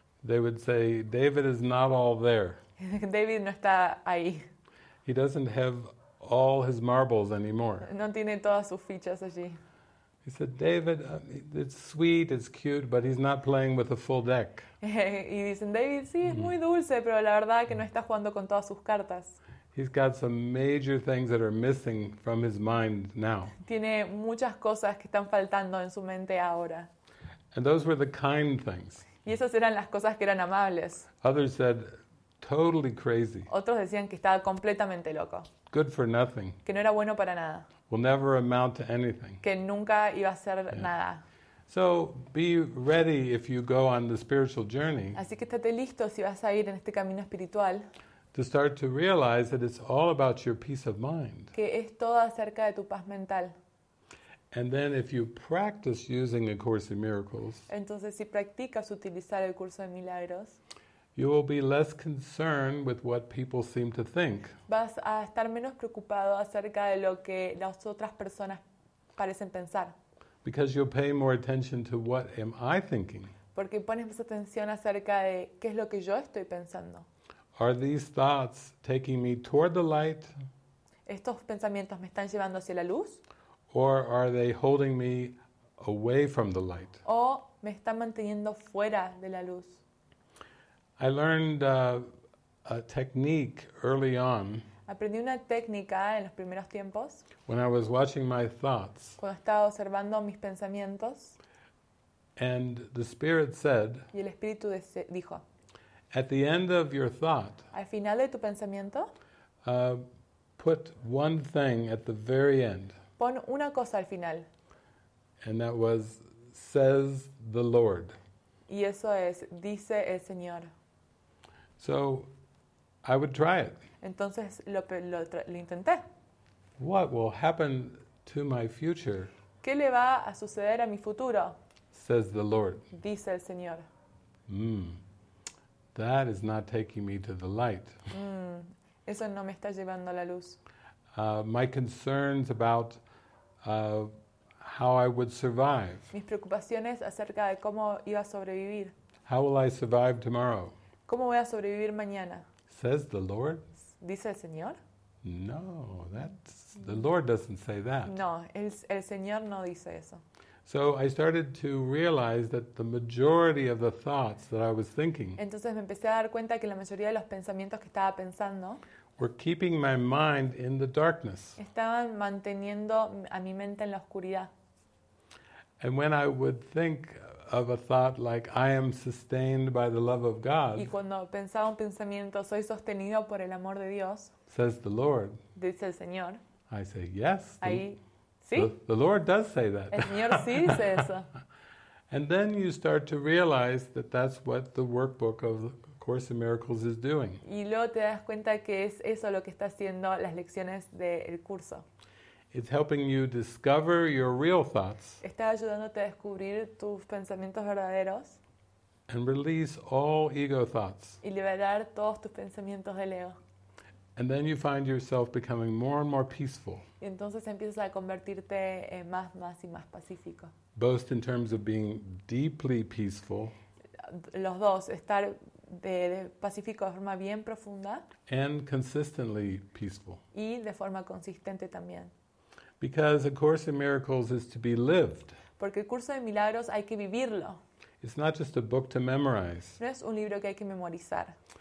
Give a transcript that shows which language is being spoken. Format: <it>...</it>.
<en>They would say, David is not all there.</en> <es>David no está ahí.</es> <en>He doesn't have all his marbles anymore.</en> <es>No tiene todas sus fichas allí.</es> <en>He said, David, it's sweet, it's cute, but he's not playing with a full deck.</en> <es>Y dicen, David, sí, es muy dulce, pero la verdad que no está jugando con todas sus cartas.</es> <en>He's got some major things that are missing from his mind now.</en> <es>Tiene muchas cosas que están faltando en su mente ahora.</es> <en>And those were the kind things.</en> <es>Y esas eran las cosas que eran amables.</es> <en>Others said, totally crazy.</en> <es>Otros decían que estaba completamente loco.</es> <en>Good for nothing.</en> <es>Que no era bueno para nada.</es> <en>Will never amount to anything.</en> <es>Que nunca iba a ser nada.</es> <en>So be ready if you go on the spiritual journey.</en> <es>Así que estate listo si vas a ir en este camino espiritual.</es> <en>To start to realize that it's all about your peace of mind.</en> <es>Que es todo acerca de tu paz mental.</es> <en>And then if you practice using A Course in Miracles.</en> <es>Entonces si practicas utilizar el curso de milagros.</es> <en>You will be less concerned with what people seem to think.</en> <es>Vas a estar menos preocupado acerca de lo que las otras personas parecen pensar.</es> <en>Because you'll pay more attention to what am I thinking.</en> <es>Porque pones más atención acerca de qué es lo que yo estoy pensando.</es> <en>Are these thoughts taking me toward the light?</en> <es>¿Estos pensamientos me están llevando hacia la luz?</es> <en>Or are they holding me away from the light?</en> <es>¿O me están manteniendo fuera de la luz?</es> <en>I learned a technique early on.</en> <es>Aprendí una técnica en los primeros tiempos.</es> <en>When I was watching my thoughts.</en> <es>Cuando estaba observando mis pensamientos.</es> <en>And the Spirit said.</en> <es>Y el Espíritu dijo.</es> <en>At the end of your thought.</en> <es>Al final de tu pensamiento.</es> <en>Put one thing at the very end.</en> <es>Pon una cosa al final.</es> <en>And that was, says the Lord.</en> <es>Y eso es, dice el Señor.</es> <en>So, I would try it.</en> <es>Entonces, lo intenté.</es> <en>What will happen to my future?</en> <es>¿Qué le va a suceder a mi futuro?</es> <en>Says the Lord.</en> <es>Dice el Señor.</es> <en>That is not taking me to the light.</en> <es>Eso no me está llevando a la luz.</es> <en>My concerns about how I would survive.</en> <es>Mis preocupaciones acerca de cómo iba a sobrevivir.</es> <en>How will I survive tomorrow?</en> <es>¿Cómo voy a sobrevivir mañana?</es> <en>Says the Lord.</en> <es>¿Dice el Señor?</es> <en>No, the Lord doesn't say that.</en> <es>No, el Señor no dice eso.</es> <en>So I started to realize that the majority of the thoughts that I was thinking.</en> <es>Entonces me empecé a dar cuenta que la mayoría de los pensamientos que estaba pensando.</es> <en>Were keeping my mind in the darkness.</en> <es>Estaban manteniendo a mi mente en la oscuridad.</es> <en>And when I would think of a thought like I am sustained by the love of God.</en> <es>Y cuando pensaba un pensamiento, soy sostenido por el amor de Dios.</es> <en>Says the Lord.</en> <es>Dice el Señor.</es> <en>I say yes.</en> <es>Ahí, sí.</es> <en>The Lord does say that.</en> <es>El Señor sí dice eso.</es> <en>And then you start to realize that that's what the workbook of Course in Miracles is doing.</en> <es>Y luego te das cuenta que es eso lo que está haciendo las lecciones del curso.</es> <en>It's helping you discover your real thoughts.</en> <es>Está ayudándote a descubrir tus pensamientos verdaderos.</es> <en>And release all ego thoughts.</en> <es>Y liberar todos tus pensamientos del ego.</es> <en>And then you find yourself becoming more and more peaceful.</en> <es>Y entonces empiezas a convertirte en más y más pacífico.</es> <en>Both in terms of being deeply peaceful.</en> <es>Los dos, estar de pacífico de forma bien profunda.</es> <en>And consistently peaceful.</en> <es>Y de forma consistente también.</es> <en>Because a Course in Miracles is to be lived.</en> <es>Porque el curso de milagros hay que vivirlo.</es> <en>It's not just a book to memorize.</en> <es>No es un libro que hay que memorizar.</es>